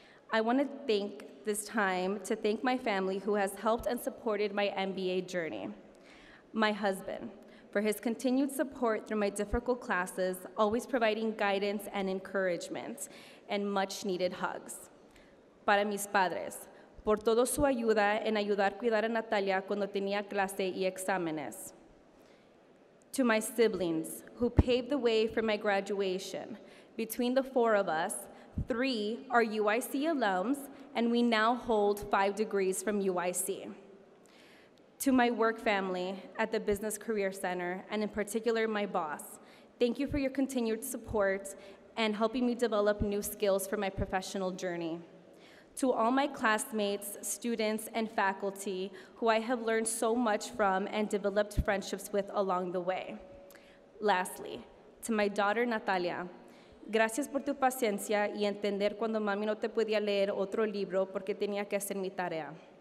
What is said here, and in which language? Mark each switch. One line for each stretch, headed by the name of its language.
English: I want to take this time to thank my family who has helped and supported my MBA journey. My husband, for his continued support through my difficult classes, always providing guidance and encouragement, and much needed hugs.
Spanish: Para mis padres, por todo su ayuda en ayudar a cuidar a Natalia cuando tenía clase y exámenes.
English: To my siblings, who paved the way for my graduation. Between the four of us, three are UIC alums, and we now hold 5 degrees from UIC. To my work family at the Business Career Center, and in particular my boss, thank you for your continued support and helping me develop new skills for my professional journey. To all my classmates, students, and faculty who I have learned so much from and developed friendships with along the way. Lastly, to my daughter Natalia,
Spanish: gracias por tu paciencia y entender cuando mami no te podía leer otro libro porque tenía que hacer mi tarea.